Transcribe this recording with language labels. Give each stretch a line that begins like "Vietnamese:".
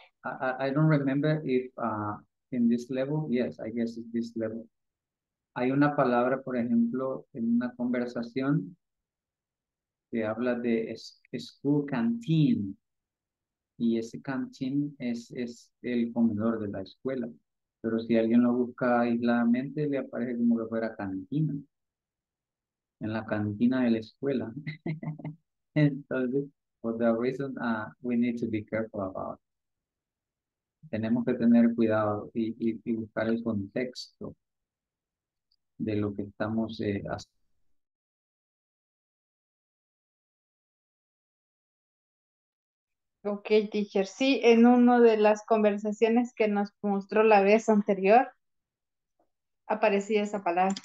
English: I don't remember if in this level, yes, I guess it's this level.
Spanish: Hay una palabra, por ejemplo, en una conversación que habla de school canteen. Y ese canteen es el comedor de la escuela. Pero si alguien lo busca aisladamente, le aparece como que fuera cantina. En la cantina de la escuela.
English: Entonces, for that reason, we need to be careful about it.
Spanish: Tenemos que tener cuidado y buscar el contexto de lo que estamos haciendo.
English: Ok, teacher.
Spanish: Sí, en una de las conversaciones que nos mostró la vez anterior, aparecía esa palabra.